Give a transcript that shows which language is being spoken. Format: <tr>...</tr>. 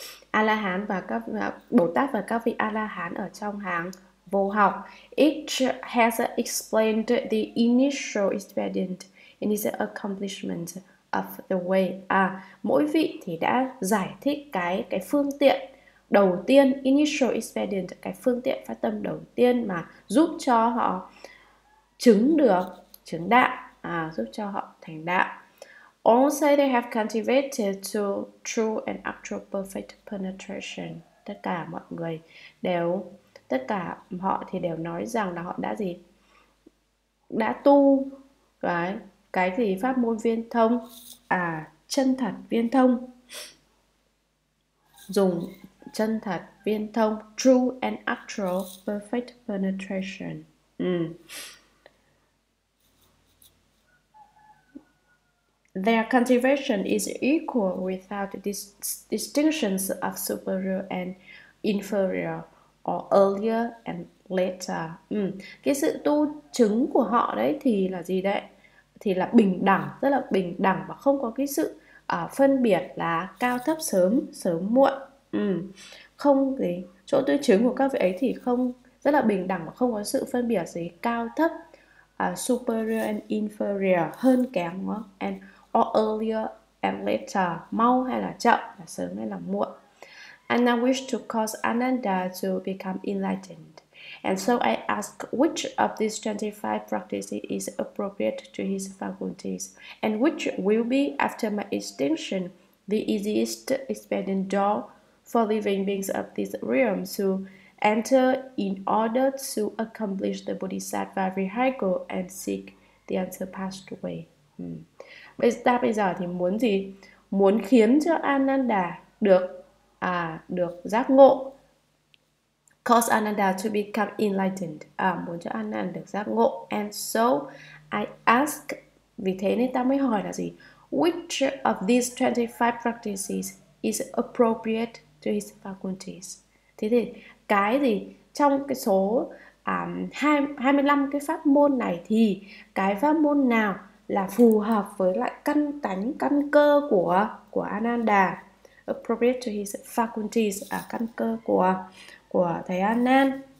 <vi>A La Hán và các Bồ Tát và các vị A La Hán ở trong hàng vô học.</vi> <en>Each has explained the initial expedient in his accomplishment of the way.</en> <vi>À, mỗi vị thì đã giải thích cái phương tiện đầu tiên,</vi> <en>initial expedient,</en> <vi>cái phương tiện phát tâm đầu tiên mà giúp cho họ chứng được chứng đạo, giúp cho họ thành đạo.</vi> <en>All say they have cultivated to true and actual perfect penetration.</en> <vi>Tất cả mọi người đều, tất cả họ thì đều nói rằng là họ đã gì, đã tu cái gì, pháp môn viên thông, chân thật viên thông, dùng chân thật viên thông,</vi> <en>true and actual perfect penetration. Their cultivation is equal without distinctions of superior and inferior, or earlier and later.</en> <vi>Cái sự tu chứng của họ đấy thì là gì đấy? Thì là bình đẳng, rất là bình đẳng và không có cái sự phân biệt là cao thấp, sớm sớm muộn. Không gì, chỗ tu chứng của các vị ấy thì không, rất là bình đẳng và không có sự phân biệt gì cao thấp,</vi> <en>superior and inferior,</en> <vi>hơn kém đúng không?</vi> <en>And or earlier and later,</en> <vi>mau hay là chậm, là sớm hay là muộn.</vi> <en>And I wish to cause Ananda to become enlightened. And so I ask which of these 25 practices is appropriate to his faculties, and which will be, after my extinction, the easiest expedient door for living beings of this realm to enter in order to accomplish the Bodhisattva Vihaya and seek the unsurpassed way.</en> <vi>Bây giờ, ta bây giờ thì muốn gì? Muốn khiến cho Ananda được được giác ngộ.</vi> <en>Cause Ananda to become enlightened.</en> <vi>Muốn cho Ananda được giác ngộ.</vi> <en>And so I ask,</en> <vi>vì thế nên ta mới hỏi là gì?</vi> <en>Which of these 25 practices is appropriate to his faculties?</en> <vi>Thế thì cái gì trong cái số 25 cái pháp môn này thì cái pháp môn nào là phù hợp với lại căn tánh, căn cơ của Ananda,</vi> <en>appropriate to his faculties,</en> <vi>căn cơ của thầy Anand.</vi>